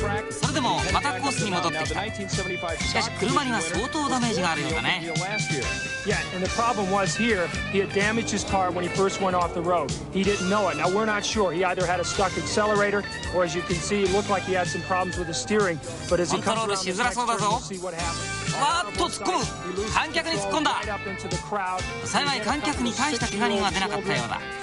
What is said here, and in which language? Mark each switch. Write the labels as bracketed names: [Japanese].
[Japanese] それでもまたコースに戻ってきた。しかし車には相当ダメージがあるようだね。 [English] yet. And the problem was here, he had damaged his car when he first went off the road. He didn't know it. Now, we're not sure. He either had a stuck accelerator, or as you can see, it looked like he had some problems with the steering. But as he comes around the next turn, we'll see what happens. [Japanese] わーっと突っ込む。観客に突っ込んだ。幸い観客に大した怪我人は出なかったようだ。